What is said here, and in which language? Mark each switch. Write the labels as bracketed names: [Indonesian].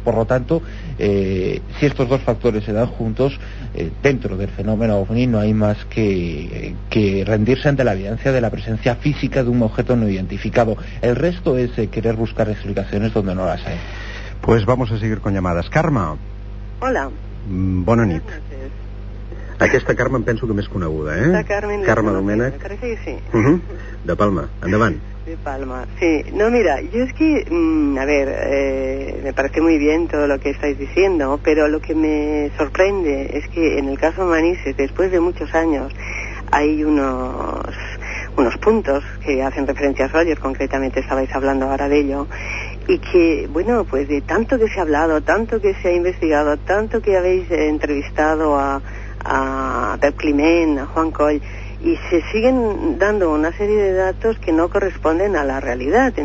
[Spanish] Por lo tanto, si estos dos factores se dan juntos, dentro del fenómeno OVNI no hay más que rendirse ante la evidencia de la presencia física de un objeto no identificado. El resto es querer buscar explicaciones donde no las hay. Pues vamos a seguir con llamadas. Carme. Hola. [Catalan] Bona nit. Aquesta Carme em penso que més coneguda, eh? La Carme Domènech. Crec que sí. De Palma, endavant. De Palma, sí. [Spanish] No, mira, yo es que, a ver, me parece muy bien todo lo que estáis diciendo, pero lo que me sorprende es que en el caso Manises, después de muchos años, hay unos puntos que hacen referencia a Roger, concretamente estabais hablando ahora de ello, y que, bueno, pues de tanto que se ha hablado, tanto que se ha investigado, tanto que habéis entrevistado a Pep Climent, a Juan Coll, y se siguen dando una serie de datos que no corresponden a la realidad.